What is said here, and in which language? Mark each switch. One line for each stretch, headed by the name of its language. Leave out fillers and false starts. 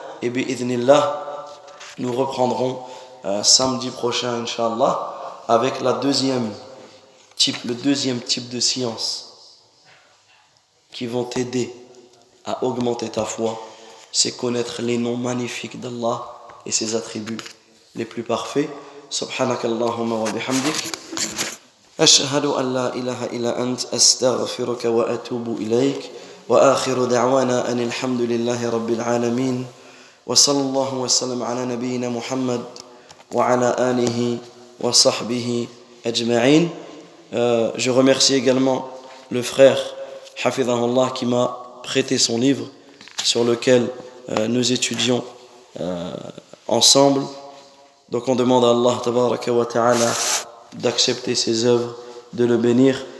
French: Et bien, idhnillah, nous reprendrons samedi prochain, Inch'Allah, avec le deuxième type de science qui vont t'aider à augmenter ta foi, c'est connaître les noms magnifiques d'Allah et ses attributs les plus parfaits.
Arabic: Subhanakallahumma wa bihamdik. أشهد أن لا إله إلا أنت أستغفرك وأتوب إليك وآخر دعوانا أن الحمد لله رب العالمين وصلى الله وسلم على نبينا محمد وعلى آله وصحبه أجمعين.
French: Je remercie également le frère
Arabic: حفظه الله
French: qui m'a prêté son livre sur lequel nous étudions ensemble. Donc on demande à Allah
Arabic: تبارك وتعالى
French: d'accepter ses œuvres, de le bénir.